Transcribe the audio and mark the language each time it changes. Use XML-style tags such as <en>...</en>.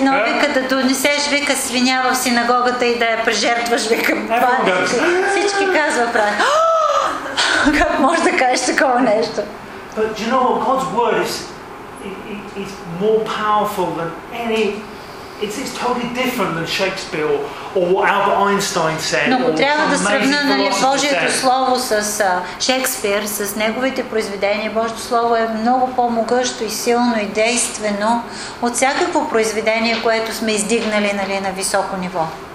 <bg>едно вика да донесеш вика свиня в синагогата и да я прежертваш, вика. Всички казва прави. Как можеш да кажеш такова нещо?</bg> <en>But you know what? God's word is more powerful than any. It's totally different than Shakespeare or what Albert Einstein said.</en> <bg>Но трябва да сравна, нали, Божието слово с Шекспир, с неговите произведения. Божието слово е много по-могъщо и силно и действено от всякакво произведение, което сме издигнали, нали, на високо ниво.</bg>